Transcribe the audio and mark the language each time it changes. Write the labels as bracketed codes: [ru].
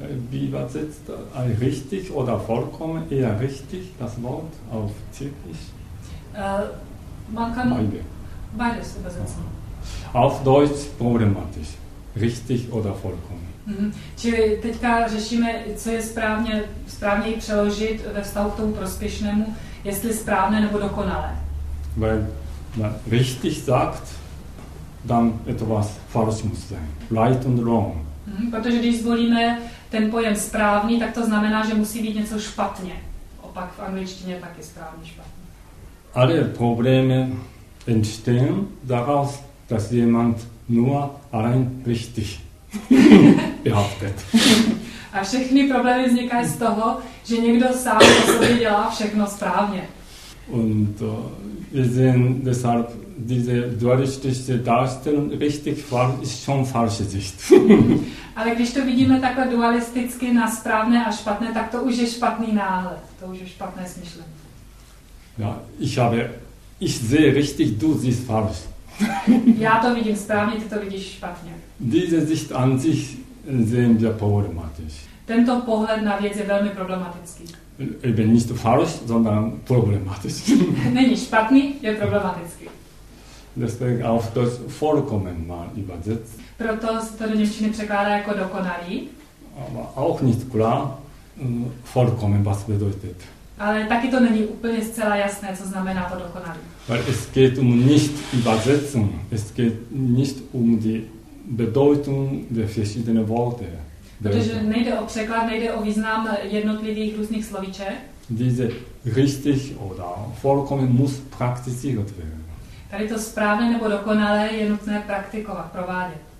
[de] Wie war es richtig oder vollkommen? Eher richtig, das Wort auf Tschechisch? Man kann beides übersetzen. Auf Deutsch problematisch. Richtig oder vollkommen. [cs] Čili teďka řešíme, co je správněji přeložit ve vztahu k tomu prospěšnému, jestli správné nebo dokonalé. [de] Weil man richtig sagt, dann etwas falsch muss sein. [en] Right and wrong. [cs] Protože když zvolíme ten pojem správný, tak to znamená, že musí být něco špatně. Opak v angličtině taky správně špatně. [de] Alle Probleme entstehen daraus, dass jemand nur allein richtig behauptet. [cs] A všechny problémy vznikají z toho, že někdo sám o sobě dělá všechno správně. [de] Und wir sehen deshalb diese dualistische Darstellung richtig falsch ist schon falsche Sicht. [cs] Ale když to vidíme takhle dualisticky na správné a špatné, tak to už je špatný náhled, to už je špatné smyšlení. [de] Ja, ich sehe richtig, du siehst falsch. [cs] Já to vidím správně, ty to vidíš špatně. [de] Diese Sicht an sich sehen wir problematisch. [cs] Tento pohled na věc je velmi problematický. [de] Eben nicht falsch, sondern problematisch. [cs] Není špatný, je problematický. [de] Deswegen auf das vollkommen mal übersetzt. [cs] Proto se to do němčiny překládá jako dokonalý. [de] Aber auch nicht klar, vollkommen, was bedeutet. [cs] Ale taky to není úplně zcela jasné, co znamená to dokonalý. [de] Weil es geht nicht Übersetzung, es geht nicht die Bedeutung der verschiedenen Worte. [cs] Protože nejde o překlad, nejde o význam jednotlivých různých slovíček. [de] Diese richtig oder vollkommen muss praktiziert werden. [cs] Tady to správné nebo dokonalé je nutné praktikovat, provádět.